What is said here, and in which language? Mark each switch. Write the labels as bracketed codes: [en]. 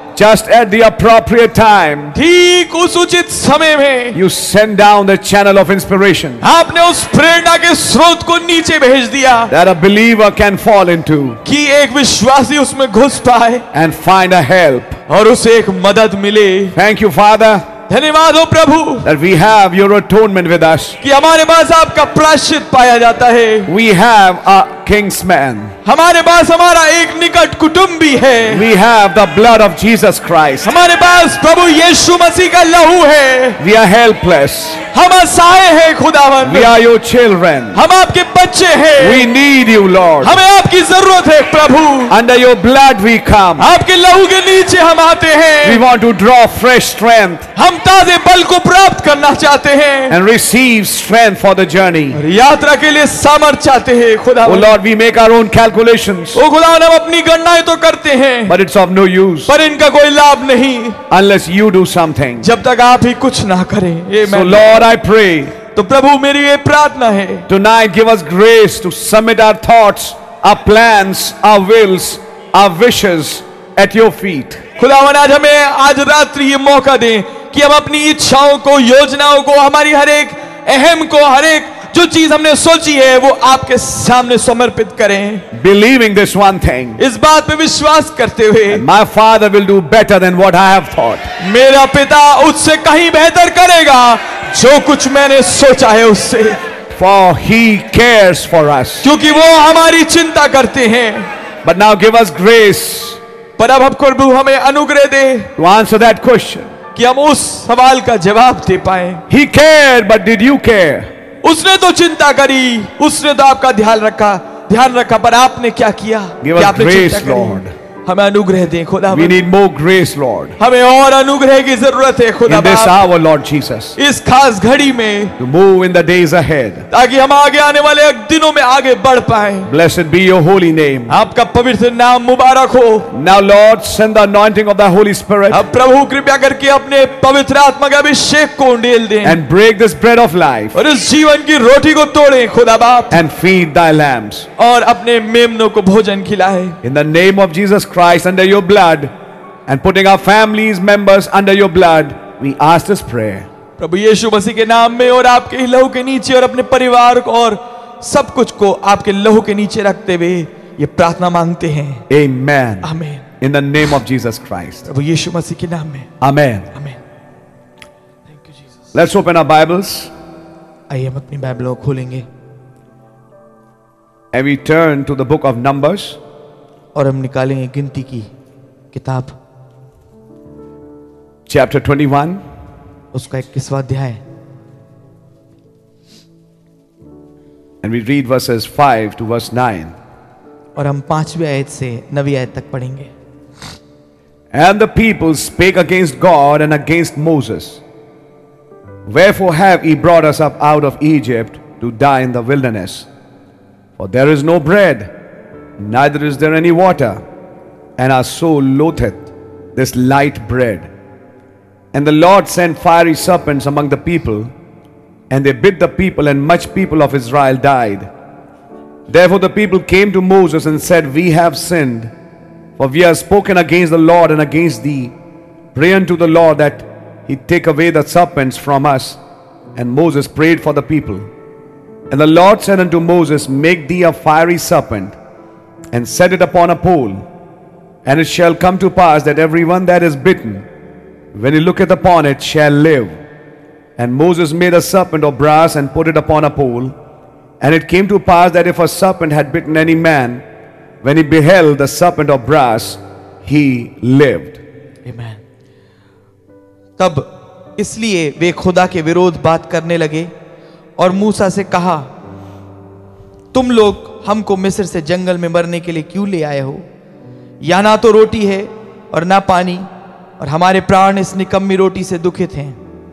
[en] Just at the appropriate time. [hi] ठीक उस उचित समय में. [en] You send down the channel of inspiration. [hi] आपने उस प्रेरणा के स्रोत को नीचे भेज दिया. [en] That a believer can fall into. [hi] कि एक विश्वासी उसमें घुस पाए. [en] And find a help. [hi] और उसे एक मदद मिले. [en] Thank you, Father. [hi] धन्यवाद हो प्रभु. [en] That we have your atonement with us. [hi] कि हमारे पास आपका प्रायश्चित पाया जाता है. [en] We have a kinsman. [hi] हमारे पास हमारा एक निकट कुटुंबी है. [en] We have the blood of Jesus Christ. [hi] हमारे पास प्रभु यीशु मसीह का लहू है. [en] We are helpless. [hi] हम असहाय हैं खुदावन. [en] We are your children. [hi] हम आपके बच्चे हैं. [en] We need you, Lord. [hi] हमें आपकी जरूरत है प्रभु. [en] Under your blood we come. [hi] आपके लहू के नीचे हम आते हैं. [en] We want to draw fresh strength. [hi] हम ताजे बल को प्राप्त करना चाहते हैं. [en] And receive strength for the journey. [hi] यात्रा के लिए सामर्थ्य चाहते हैं खुदावन. [en] Oh Lord, we make our own calculations. [hi] ओ खुदावन हम अपनी गणनाएं तो करते हैं. [en] But it's of no use. [hi] पर इनका कोई लाभ नहीं. [en] Unless you do something. [hi] जब तक आप ही कुछ ना करें. [en] Amen. So Lord, I pray. [hi] तो प्रभु मेरी ये प्रार्थना है. [en] Tonight, give us grace to submit our thoughts, our plans, our wills, our wishes at your feet. [hi] खुदावन आज हमें आज रात्रि ये मौका दें कि हम अपनी इच्छाओं को, योजनाओं को, हमारी हर एक अहम को, हर एक जो चीज हमने सोची है वो आपके सामने समर्पित करें. [en] Believing this one thing. [hi] इस बात पे विश्वास करते हुए. [en] My father will do better than what I have thought. [hi] मेरा पिता उससे कहीं बेहतर करेगा जो कुछ मैंने सोचा है उससे. [en] For he cares for us. [hi] क्योंकि वो हमारी चिंता करते हैं. [en] But now give us grace. [hi] पर अब प्रभु हमें अनुग्रह दे. [en] To answer that question. [hi] कि हम उस सवाल का जवाब दे पाए. [en] He cared, but did you care? [hi] उसने तो चिंता करी, उसने तो आपका ध्यान रखा, पर आपने क्या किया? [en] Give us grace, Lord. [hi] हमें अनुग्रह दे खुदा. [en] We need more grace, Lord. [hi] हमें और अनुग्रह की जरूरत है खुदा. [en] In this hour, Lord Jesus. [hi] इस खास घड़ी में. [en] To move in the days ahead. [hi] ताकि हम आगे आने वाले दिनों में आगे बढ़ पाएं. [en] Blessed be your holy name. [hi] आपका पवित्र नाम मुबारक हो. [en] Now, Lord, send the anointing of the Holy Spirit. [hi] अब प्रभु कृपया करके अपने पवित्र आत्मा का अभिषेक को उंडेल दें. [en] And break this bread of life. [hi] और इस जीवन की रोटी को तोड़े खुदा बाप. [en] And feed thy lambs. [hi] और अपने मेमनों को भोजन खिलाए. [en] In the name of Jesus Christ under your blood and putting our families members under your blood, we ask this prayer. [hi] प्रभु यीशु मसीह के नाम में और आपके लहू के नीचे और अपने परिवार को और सब कुछ को आपके लहू के नीचे रखते हुए ये प्रार्थना मांगते हैं. [en] Amen. Amen. In the name of Jesus Christ. [hi] प्रभु यीशु मसीह के नाम में. [en] Amen. Amen. Thank you, Jesus. Let's open our Bibles. [hi] आइए हम अपनी बाइबल खोलेंगे. [en] And we turn to the book of Numbers. [hi] और हम निकालेंगे गिनती की किताब [en] chapter 21 [hi] उसका 21वां अध्याय. [en] and we read verses 5 to verse 9 [hi] और हम पांचवी आयत से नवी आयत तक पढ़ेंगे. [en] And the people spake against God and against Moses wherefore have he brought us up out of Egypt to die in the wilderness for there is no bread Neither is there any water, and our soul loatheth this light bread. And the Lord sent fiery serpents among the people, and they bit the people, and much people of Israel died. Therefore the people came to Moses and said, We have sinned, for we have spoken against the Lord and against thee. Pray unto the Lord that he take away the serpents from us. And Moses prayed for the people. And the Lord said unto Moses, Make thee a fiery serpent, And set it upon a pole, and it shall come to pass that everyone that is bitten, when he looketh upon it, shall live. And Moses made a serpent of brass and put it upon a pole. And it came to pass that if a serpent had bitten any man, when he beheld the serpent of brass, he lived. Amen. [hi] तब इसलिए वे खुदा के विरोध बात करने लगे और मूसा से कहा, तुम लोग हमको मिस्र से जंगल में मरने के लिए क्यों ले आए हो? या ना तो रोटी है और ना पानी, और हमारे प्राण इस निकम्मी रोटी से दुखित हैं.